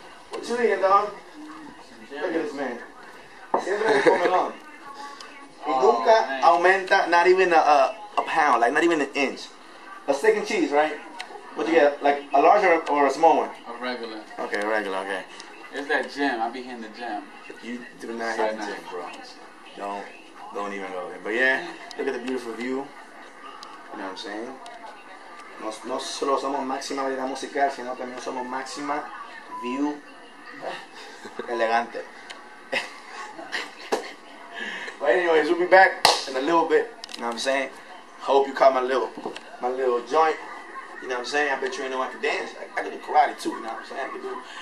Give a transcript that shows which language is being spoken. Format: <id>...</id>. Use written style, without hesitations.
<en>What you eating, dog? Look at this man.</en> <es>Siempre comelón. Y nunca aumenta,</es> <en>not even a pound, like not even an inch. A steak and cheese, right? What you get? Like a larger or a small one? A regular. Okay, a regular, okay. It's that gym. I be hitting the gym. You do not hit the gym, bro. Don't even go there. But yeah, look at the beautiful view. You know what I'm saying?</en> <es>No solo somos máxima variedad musical, sino también somos máxima view elegante.</es> <en>But anyways, we'll be back in a little bit. You know what I'm saying? Hope you caught my little joint. You know what I'm saying? I bet you ain't know I can dance. I can do karate too, you know what I'm saying? I can do.</en>